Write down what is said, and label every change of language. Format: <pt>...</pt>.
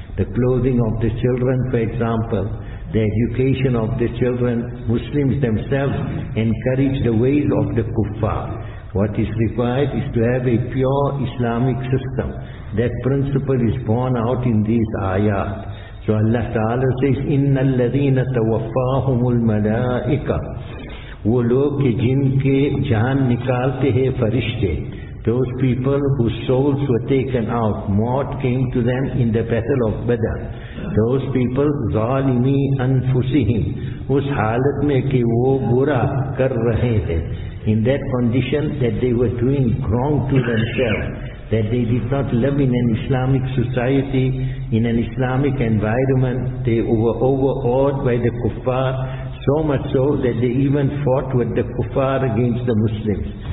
<en>The clothing of the children, for example, the education of the children. Muslims themselves encourage the ways of the kuffar. What is required is to have a pure Islamic system. That principle is born out in these ayat. So Allah Ta'ala says,</en> <ar>إِنَّ الَّذِينَ تَوَفَّاهُمُ الْمَلَائِكَةِ</ar> <ur>وہ لوگ کے جن کے جان نکالتے ہیں فرشتے.</ur> <en>Those people whose souls were taken out, maut came to them in the battle of Badr. Those people,</en> <ar>ظالمی انفسهم,</ar> <ur>اس حالت میں کہ وہ برا کر رہے ہیں.</ur> <en>In that condition that they were doing wrong to themselves, that they did not live in an Islamic society, in an Islamic environment, they were overawed by the kuffar, so much so that they even fought with the kuffar against the Muslims.</en>